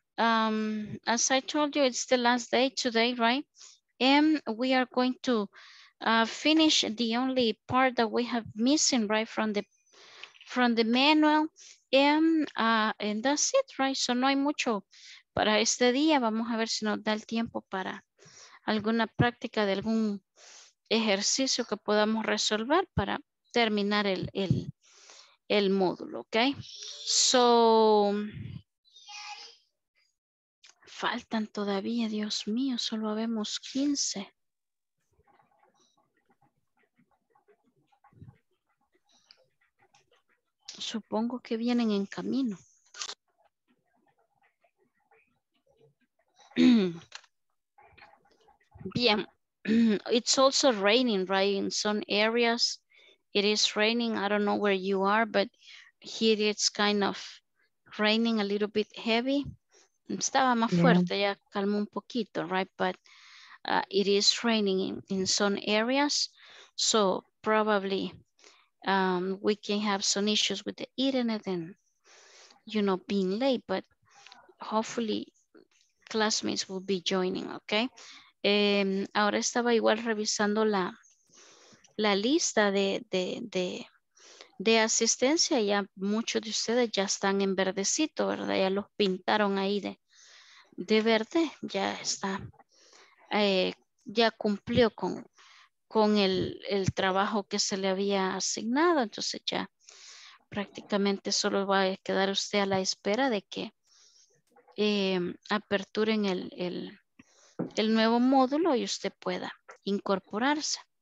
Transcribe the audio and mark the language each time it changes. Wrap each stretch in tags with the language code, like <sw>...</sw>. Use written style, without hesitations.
<en>As I told you, it's the last day today, right? And we are going to finish the only part that we have missing, right, from the manual. And that's it, right? So</en> <es>no hay mucho para este día. Vamos a ver si nos da el tiempo para alguna práctica de algún ejercicio que podamos resolver para terminar el módulo, okay. So faltan todavía, Dios mío, solo habemos 15. Supongo que vienen en camino.</es> <en>Bien. It's also raining, right? In some areas. It is raining. I don't know where you are, but here it's kind of raining a little bit heavy.</en> <es>Estaba más fuerte, ya calmó un poquito, right?</es> <en>But it is raining in some areas. So probably we can have some issues with the internet and, you know, being late, but hopefully classmates will be joining, okay?</en> <es>Ahora estaba igual revisando la lista de asistencia, ya muchos de ustedes ya están en verdecito, ¿verdad? Ya los pintaron ahí de verde, ya está, ya cumplió con el trabajo que se le había asignado, entonces ya prácticamente solo va a quedar usted a la espera de que aperturen el nuevo módulo y usted pueda incorporarse.</es>